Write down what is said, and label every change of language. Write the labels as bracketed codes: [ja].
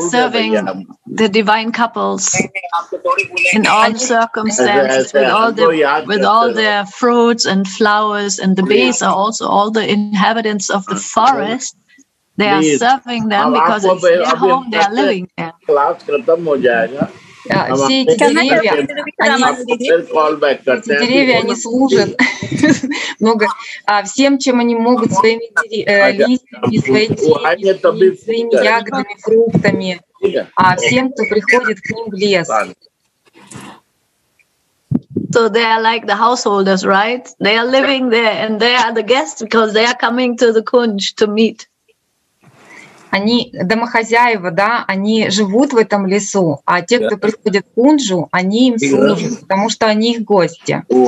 [en] serving the divine couples in all circumstances with all their fruits and flowers, and the bees are also all the inhabitants of the forest. They are serving them because it's their home, they are living there. [ru] Все эти деревья, они служат много всем, чем они могут, своими листьями, своими ягодами, фруктами, всем, кто приходит к ним в лес. [en] So they are like the householders, right? They are living there, and they are the guests because they are coming to the Kunj to meet. [ru] Они домохозяева, да, они живут в этом лесу, а те, кто приходит к Кунджу, они им служат, потому что они их гости.